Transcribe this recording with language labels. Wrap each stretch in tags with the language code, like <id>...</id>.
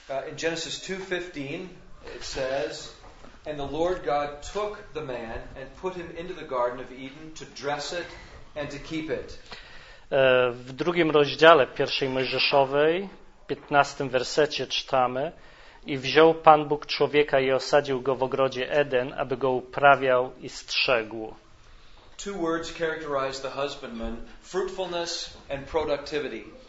<en>In Genesis 2:15 it says, and the Lord God took the man and put him into the garden of Eden to dress it and to keep it.</en> <pl>W drugim rozdziale pierwszej Mojżeszowej, w 15 wersecie czytamy, i wziął Pan Bóg człowieka i osadził go w ogrodzie Eden, aby go uprawiał i strzegł.</pl> <en>Two words characterize the husbandman: fruitfulness and productivity.</en>